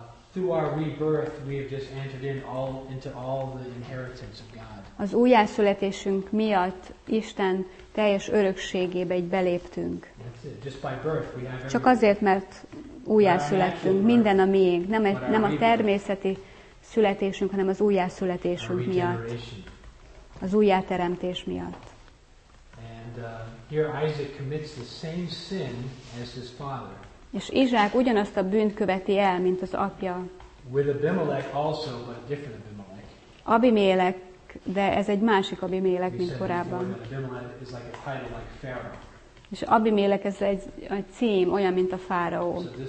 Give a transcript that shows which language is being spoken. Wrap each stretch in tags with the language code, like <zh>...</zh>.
<en>Through our rebirth, we have just entered into all the inheritance of God.</en> <hu>Az újjászületésünk miatt Isten teljes örökségébe így beléptünk.</hu> <en>Just by birth, we have.</en> <hu>Csak azért, mert újjászülettünk, minden a miénk, nem a természeti születésünk, hanem az újjászületésünk miatt, az újjáteremtés miatt.</hu> <en>And here Isaac commits the same sin as his father.</en> <hu>És Izsák ugyanazt a bűnt követi el, mint az apja.</hu> <en>With Abimelech also, but different Abimelech.</en> <hu>Abimelech, de ez egy másik Abimelech, mint korábban.</hu> <en>Like a title, like Pharaoh.</en> <hu>És Abimelech ez egy cím, olyan, mint a fáraó.</hu>